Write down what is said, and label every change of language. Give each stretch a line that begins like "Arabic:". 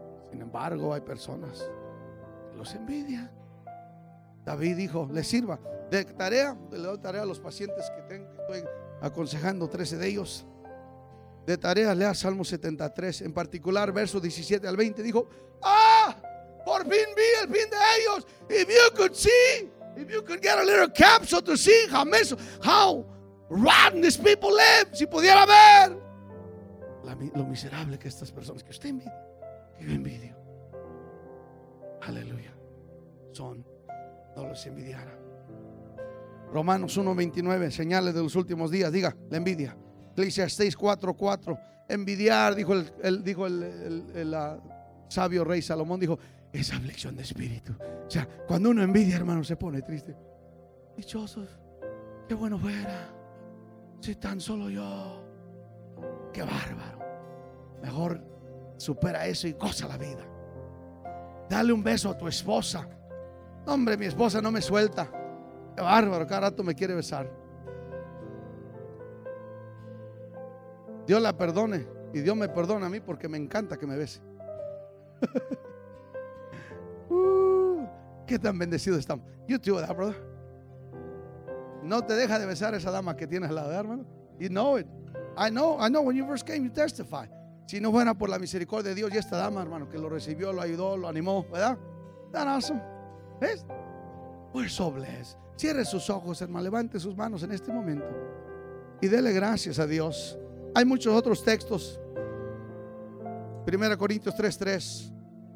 Spanish: Sin embargo, hay personas que los envidian. David dijo, le sirva de tarea, le doy tarea a los pacientes que tengo, que estoy aconsejando 13 de ellos. De tareas, lea Salmo 73, en particular verso 17 al 20. Dijo, ah, por fin vi el fin de ellos.
English: If you could see, if you could get a little capsule to see how mess, how rotten these people live.
Spanish: Si pudiera ver lo miserable que estas personas, que usted envidia, que yo envidio. Aleluya. Son, no los envidiara. Romanos 1:29, señales de los últimos días. Diga, la envidia. Eclesiastés 4:4, envidiar, dijo el sabio rey Salomón, dijo, es aflicción de espíritu. O sea, cuando uno envidia, hermano, se pone triste. Dichosos, qué bueno fuera, si tan solo yo, qué bárbaro. Mejor supera eso y goza la vida. Dale un beso a tu esposa. Hombre, mi esposa no me suelta. Qué bárbaro, cada rato me quiere besar. Dios la perdone y Dios me perdona a mí porque me encanta que me bese. Qué tan bendecido estamos.
English: You too,
Spanish: ¿verdad, brother? No te deja de besar esa dama que tienes al lado, hermano.
English: You know it. I know when you first came, you testify.
Spanish: Si no fuera por la misericordia de Dios y esta dama, hermano, que lo recibió, lo ayudó, lo animó, ¿verdad?
English: That awesome. ¿Ves? We're so blessed.
Spanish: Cierre sus ojos, hermano. Levante sus manos en este momento. Y dele gracias a Dios. Hay muchos otros textos. 1 Corintios 3:3.